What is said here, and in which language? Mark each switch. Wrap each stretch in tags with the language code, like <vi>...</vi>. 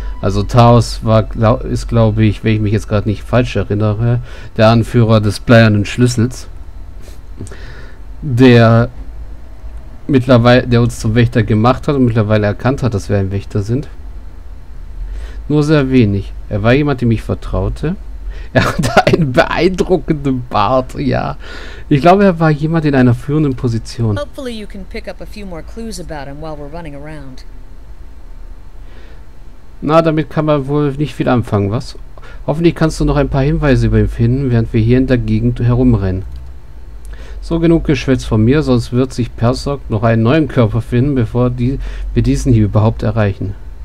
<de>Also Taos ist, glaube ich, wenn ich mich jetzt gerade nicht falsch erinnere, der Anführer des bleiernen Schlüssels, der uns zum Wächter gemacht hat und mittlerweile erkannt hat, dass wir ein Wächter sind. Nur sehr wenig. Er war jemand, dem ich vertraute. Er hatte einen beeindruckenden Bart, ja. Ich glaube, er war jemand in einer führenden Position.</de> <en>Hopefully you can pick up a few more clues about him while we're running around.</en> <de>Na, damit kann man wohl nicht viel anfangen, was? Hoffentlich kannst du noch ein paar Hinweise über ihn finden, während wir hier in der Gegend herumrennen. So, genug Geschwätz von mir, sonst wird sich Persok noch einen neuen Körper finden, bevor wir diesen hier überhaupt erreichen.</de>